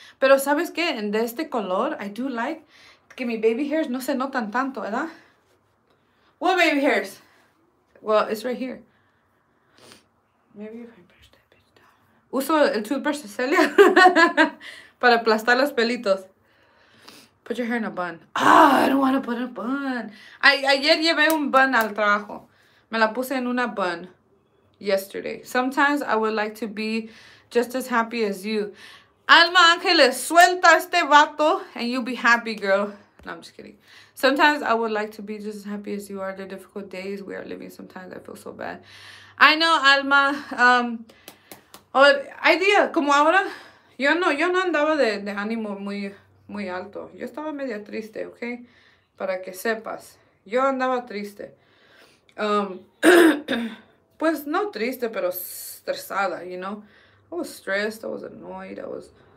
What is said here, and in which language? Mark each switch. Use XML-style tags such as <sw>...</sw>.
<es>Pero sabes que, en de este color,</es> <en>I do like</en> <es>que mi baby hairs no se notan tanto, ¿verdad?</es> <en>What baby hairs? Well, it's right here. Maybe if I brush that bitch down.</en> <es>Uso el toothbrush de Celia para aplastar los pelitos.</es> <en>Put your hair in a bun. Ah, I don't want to put a bun.</en> <es>Ayer llevé un bun al trabajo. Me la puse en una bun</es> <en>yesterday. Sometimes I would like to be just as happy as you. Alma Ángeles,</en> <es>suelta este vato</es> <en>and you'll be happy, girl. No, I'm just kidding. Sometimes I would like to be just as happy as you are. The difficult days we are living, sometimes I feel so bad. I know, Alma.</en> <es>Hay día, como ahora, yo no andaba de ánimo muy, muy alto. Yo estaba media triste, ¿ok? Para que sepas. Yo andaba triste. pues, no triste, pero estresada,</es> <en>you know? I was stressed, I was annoyed, I was...</en>